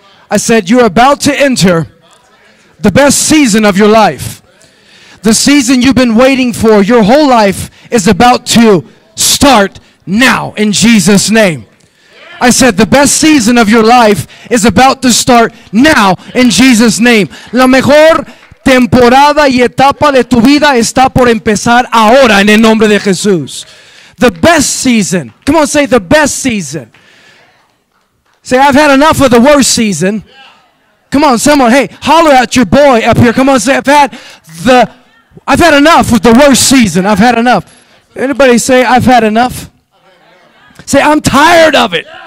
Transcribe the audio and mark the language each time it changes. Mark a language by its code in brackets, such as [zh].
[en] I said, you're about to enter the best season of your life. The season you've been waiting for your whole life is about to start now in Jesus' name. I said, the best season of your life is about to start now in Jesus' name. [es] La mejor temporada y etapa de tu vida está por empezar ahora en el nombre de Jesús. [en] The best season. Come on, say the best season. Say, I've had enough of the worst season. Come on, someone, hey, holler at your boy up here. Come on, say, I've had enough with the worst season. I've had enough. Anybody say, I've had enough? Say, I'm tired of it.